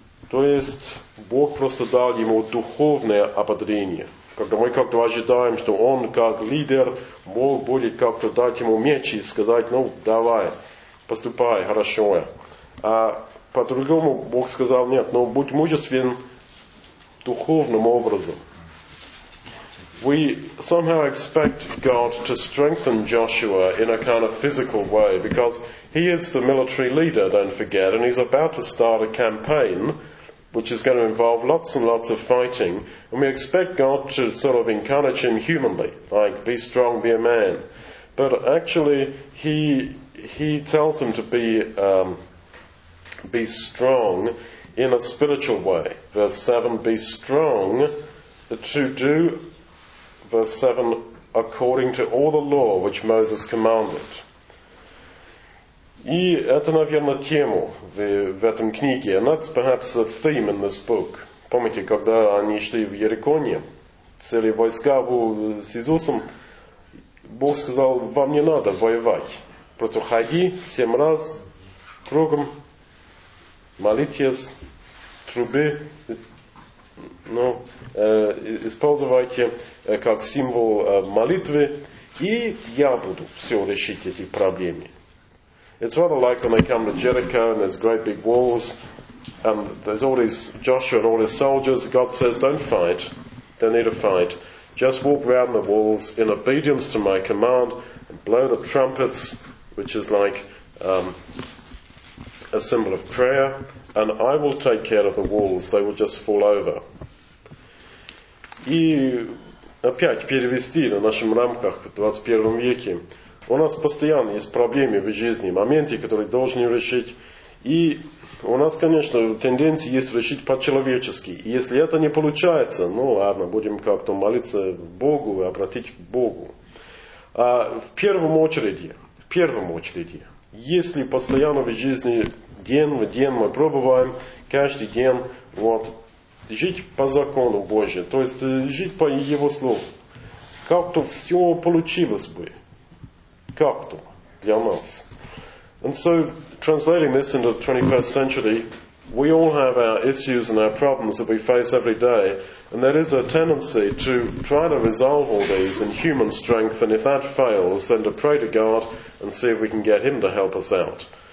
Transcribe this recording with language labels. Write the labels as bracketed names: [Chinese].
[Russian] То есть Бог просто дал ему духовное ободрение. Когда мы как-то ожидаем, что он как лидер, Бог будет как-то дать ему меч и сказать, давай, поступай, хорошо. А по-другому Бог сказал, нет, будь мужествен духовным образом. [English] We somehow expect God to strengthen Joshua in a kind of physical way, because he is the military leader, don't forget, and he's about to start a campaign which is going to involve lots and lots of fighting, and we expect God to sort of encourage him humanly, like, be strong, be a man. But actually, he tells him to be strong in a spiritual way. Verse 7, be strong to do, verse 7, according to all the law which Moses commanded. [Russian] И это, наверное, тема в этом книге. [English] And that's perhaps a theme in this book. [Russian] Помните, когда они шли в Иерихоне, цели войска с Иисусом, Бог сказал, вам не надо воевать. Просто ходи 7 раз кругом, молитесь, трубы, ну, используйте как символ молитвы, и я буду все решить эти проблемы. [English] It's rather like when they come to Jericho and there's great big walls, and there's all these Joshua and all his soldiers. God says, "Don't fight. Don't need to fight. Just walk around the walls in obedience to my command and blow the trumpets," which is like a symbol of prayer, "and I will take care of the walls. They will just fall over." [Russian] И опять перевести на нашем рамках в 21 веке. У нас постоянно есть проблемы в жизни, моменты, которые должны решить. И у нас, конечно, тенденция есть решить по-человечески. И если это не получается, ну ладно, будем как-то молиться Богу, обратить к Богу. А в первом очереди, если постоянно в жизни, день в день мы пробуем, каждый день, вот, жить по закону Божьему, то есть жить по Его слову, как-то все получилось бы. Как-то для нас. [English] And so, translating this into the 21st century, we all have our issues and our problems that we face every day, and there is a tendency to try to resolve all these in human strength, and if that fails, then to pray to God and see if we can get Him to help us out.